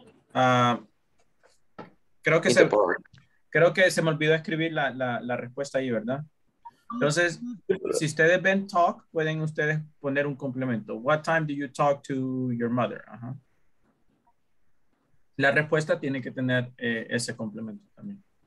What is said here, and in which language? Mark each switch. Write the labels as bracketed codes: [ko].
[es] Creo que se me olvidó escribir la respuesta ahí, ¿verdad? Entonces, si ustedes ven talk, pueden ustedes poner un complemento. [en] What time do you talk to your mother? Ajá. [es] La respuesta tiene que tener ese complemento también.